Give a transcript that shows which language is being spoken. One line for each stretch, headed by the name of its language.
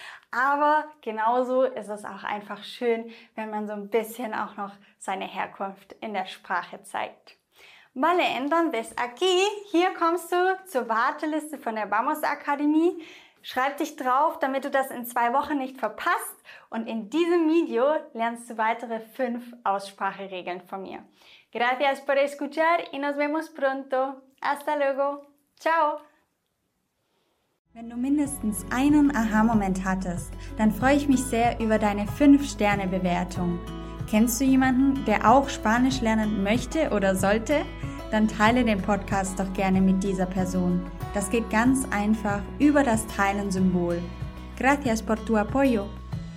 German: Aber genauso ist es auch einfach schön, wenn man so ein bisschen auch noch seine Herkunft in der Sprache zeigt.
Spanish: Vale, entonces aquí,
German: hier kommst du zur Warteliste von der Vamos Akademie. Schreib dich drauf, damit du das in 2 Wochen nicht verpasst. Und in diesem Video lernst du weitere 5 Ausspracheregeln von mir.
Spanish: Gracias por escuchar y nos vemos pronto. Hasta luego. Ciao.
German: Wenn du mindestens einen Aha-Moment hattest, dann freue ich mich sehr über deine 5-Sterne-Bewertung. Kennst du jemanden, der auch Spanisch lernen möchte oder sollte? Dann teile den Podcast doch gerne mit dieser Person. Das geht ganz einfach über das Teilen-Symbol.
Spanish: Gracias por tu apoyo.